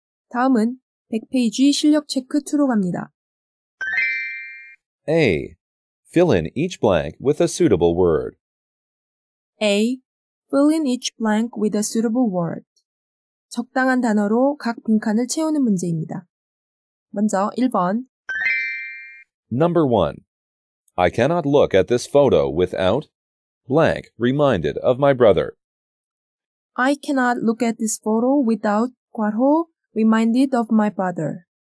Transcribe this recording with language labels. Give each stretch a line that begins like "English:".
Korean: 다음은 100페이지 실력 체크 2로 갑니다.
English: A. Fill in each blank with a suitable word. A. Fill in each blank with a suitable word.
Korean: 적당한 단어로 각 빈칸을 채우는 문제입니다. 먼저 1번.
English: Number 1. I cannot look at this photo without blank reminded of my brother. I cannot look at this photo without
Korean: 괄호
English: reminded of my brother.